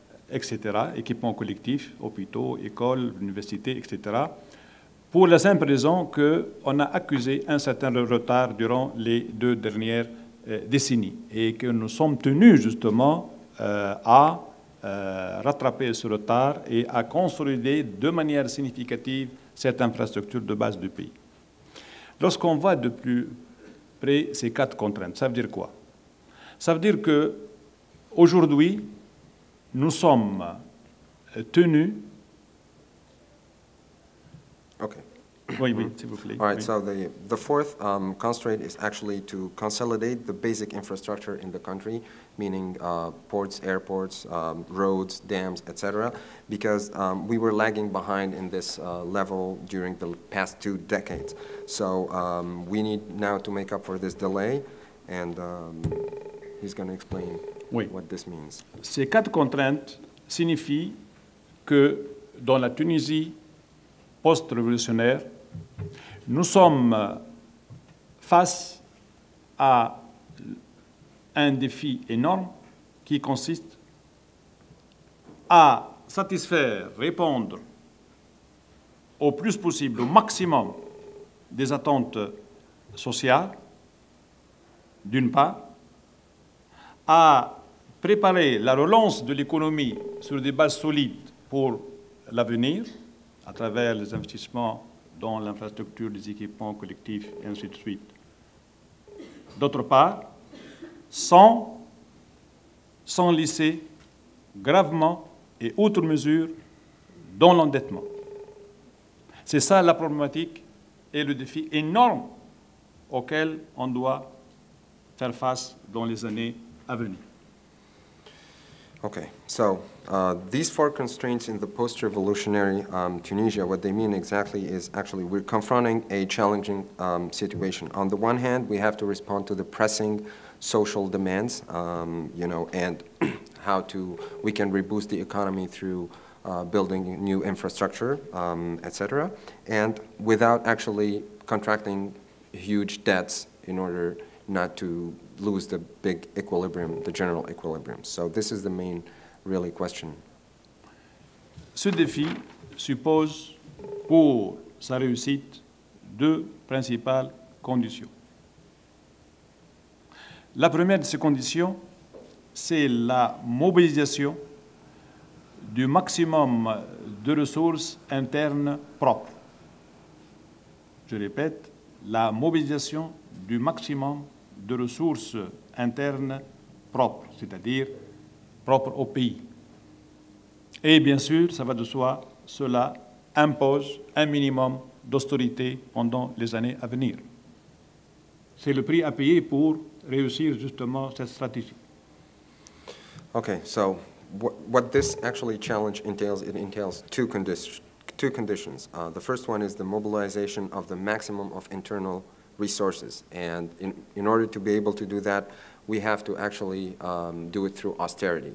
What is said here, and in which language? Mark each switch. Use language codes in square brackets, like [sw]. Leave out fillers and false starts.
[fr] etc., équipements collectifs, hôpitaux, écoles, universités, etc., pour la simple raison qu'on a accusé un certain retard durant les deux dernières décennies et que nous sommes tenus justement à rattraper ce retard et à consolider de manière significative cette infrastructure de base du pays. Lorsqu'on voit de plus près ces quatre contraintes, ça veut dire quoi? Ça veut dire qu'aujourd'hui, nous sommes tenus. [en] All right. So the fourth constraint is actually to consolidate the basic infrastructure in the country, meaning ports, airports, roads, dams, etc. Because we were lagging behind in this level during the past two decades. So we need now to make up for this delay, and he's going to explain what this means. [fr] Ces quatre contraintes signifient que dans la Tunisie post-révolutionnaire, nous sommes face à un défi énorme qui consiste à satisfaire, répondre au plus possible, au maximum des attentes sociales, d'une part, à préparer la relance de l'économie sur des bases solides pour l'avenir, à travers les investissements dans l'infrastructure, les équipements collectifs, et ainsi de suite. D'autre part, sans laisser gravement et outre mesure dans l'endettement. C'est ça la problématique et le défi énorme auquel on doit faire face dans les années à venir. [en] Okay, so these four constraints in the post-revolutionary Tunisia, what they mean exactly is actually we're confronting a challenging situation. On the one hand, we have to respond to the pressing social demands, and how to we can reboost the economy through building new infrastructure, etc., and without actually contracting huge debts in order not to lose the big equilibrium, the general equilibrium. So this is the main, really, question. [fr] Ce défi suppose pour sa réussite deux principales conditions. La première de ces conditions, c'est la mobilisation du maximum de ressources internes propres. Je répète, la mobilisation du maximum de ressources internes propres, c'est-à-dire propres au pays. Et bien sûr, ça va de soi, cela impose un minimum d'austérité pendant les années à venir. C'est le prix à payer pour réussir justement cette stratégie. [en] Okay, so what this actually challenge entails, it entails two conditions. The first one is the mobilization of the maximum of internal resources. And in order to be able to do that, we have to actually do it through austerity.